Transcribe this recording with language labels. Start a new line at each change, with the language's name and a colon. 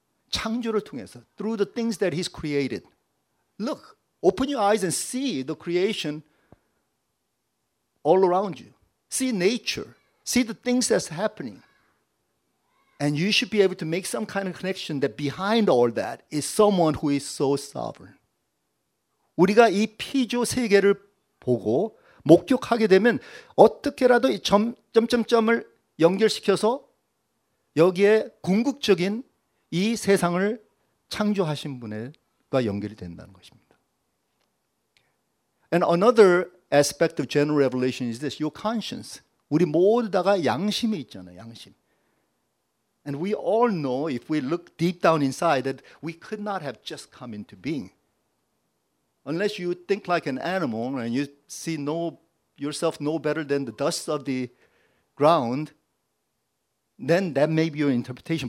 Korean: 창조를 통해서,
English: through the things that he's created. Look, open your eyes and see the creation all around you. See nature. See the things that's happening. And you should be able to make some kind of connection that behind all that is someone who is so sovereign.
Korean: 우리가 이 피조 세계를 보고 목격하게 되면 어떻게라도 이 점, 점점점을 연결시켜서 여기에 궁극적인 이 세상을 창조하신 분과 연결이 된다는 것입니다.
English: And another aspect of general revelation is this, your conscience.
Korean: 우리 모두 다가 양심이 있잖아요, 양심.
English: And we all know if we look deep down inside that we could not have just come into being. Unless you think like an animal and you see yourself no better than the dust of the ground, then that may be your interpretation.